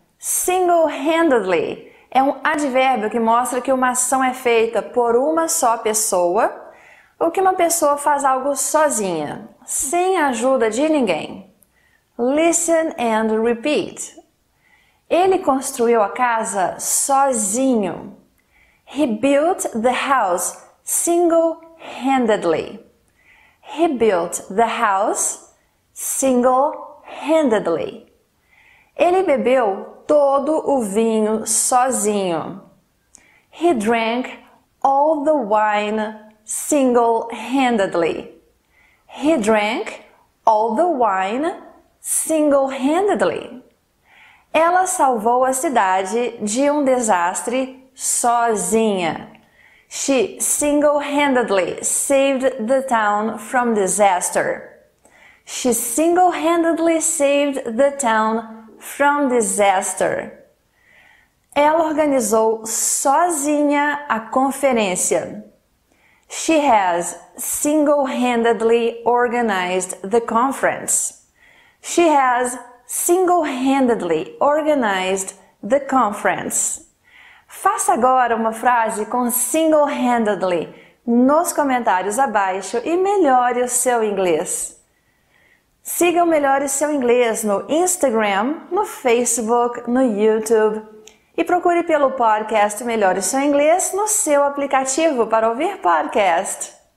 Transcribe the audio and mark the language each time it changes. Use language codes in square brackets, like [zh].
[pt] Single-handedly é um advérbio que mostra que uma ação é feita por uma só pessoa ou que uma pessoa faz algo sozinha, sem a ajuda de ninguém. [en] Listen and repeat. [pt] Ele construiu a casa sozinho. [en] He built the house single-handedly. He built the house single-handedly. [pt] Ele bebeu todo o vinho sozinho. [en] He drank all the wine single-handedly. He drank all the wine single-handedly. [pt] Ela salvou a cidade de um desastre sozinha. [en] She single-handedly saved the town from disaster. She single-handedly saved the town from disaster. [pt] Ela organizou sozinha a conferência. [en] She has single-handedly organized the conference. She has single-handedly organized the conference. [pt] Faça agora uma frase com single-handedly nos comentários abaixo e melhore o seu inglês. Siga o Melhore Seu Inglês no Instagram, no Facebook, no YouTube e procure pelo podcast Melhore Seu Inglês no seu aplicativo para ouvir podcast.